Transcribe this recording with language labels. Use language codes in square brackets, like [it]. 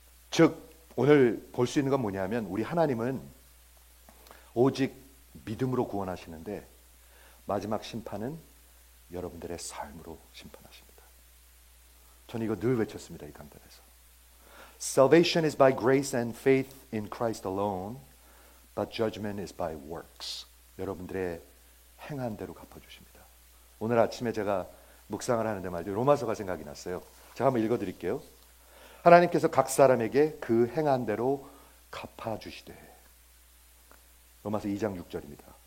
[ko] 즉, 오늘 볼 수 있는 건 뭐냐면 우리 하나님은 오직 믿음으로 구원하시는데 마지막 심판은 여러분들의 삶으로 심판하십니다. 저는 이거 늘 외쳤습니다, 이 강단에서. [en] Salvation is by grace and faith in Christ alone, but judgment is by works. [ko] 여러분들의 행한 대로 갚아주십니다. 오늘 아침에 제가 묵상을 하는데 말이죠. 로마서가 생각이 났어요. 제가 한번 읽어드릴게요. 하나님께서 각 사람에게 그 행한 대로 갚아주시되. 로마서 2장 6절입니다.